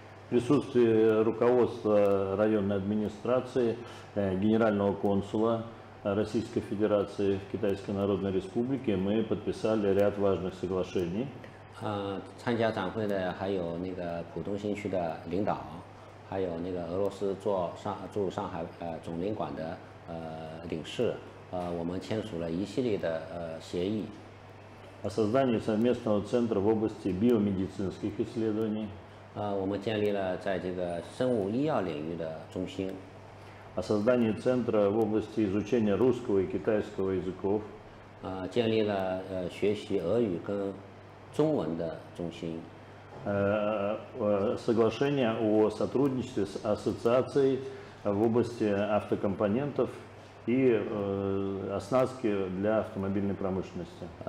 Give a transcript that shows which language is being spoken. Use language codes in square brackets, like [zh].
[ru] Присутствие руководства районной администрации, генерального консула Российской Федерации в Китайской Народной Республике, мы подписали ряд важных соглашений. [zh] 参加展会的还有那个浦东新区的领导，还有那个俄罗斯驻上海总领馆的领事，我们签署了一系列的协议。 [ru] О создании совместного центра в области биомедицинских исследований. [zh] 我们建立了在这个生物医药领域的中心。 [ru] О создании центра в области изучения русского и китайского языков. [zh] 建立了学习俄语跟中文的中心。 [ru] Соглашение о сотрудничестве с ассоциацией в области автокомпонентов и оснастки для автомобильной промышленности.